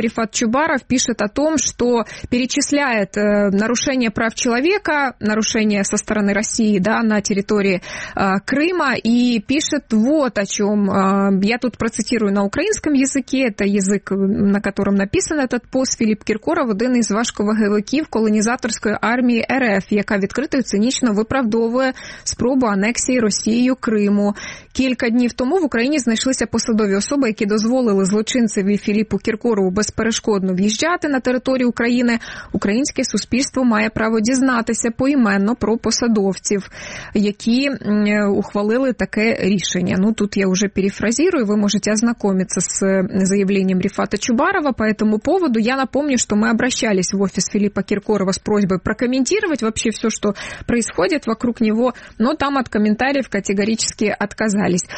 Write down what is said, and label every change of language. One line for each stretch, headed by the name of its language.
Russian: Рифат Чубаров пишет о том, что перечисляя нарушение прав человека, нарушение со стороны России, да, на территории Крыма, и пишет вот о чем. Я тут процитирую на украинском языке, это язык, на котором написан этот пост.
Ukrainian: Филипп Киркоров – один из важких вагевиків колонізаторської армії РФ, яка відкрито і цинічно виправдовує спробу анексії Росією Криму. Кілька днів тому в Україні знайшлися посадові особи, які дозволили злочинцеві Філіппу Киркорову безперешкодно в'їжджати на територію України. Українські українське суспільство має право дізнатися поіменно про посадовців, які ухвалили таке рішення. Ну, тут я вже перефразирую, ви можете
Russian: ознакомиться з заявлением Рифата Чубарова по этому поводу. Я напомню, что мы обращались в офис Филиппа Киркорова с просьбой прокомментировать вообще все, что происходит вокруг него, но там от комментариев категорически отказались.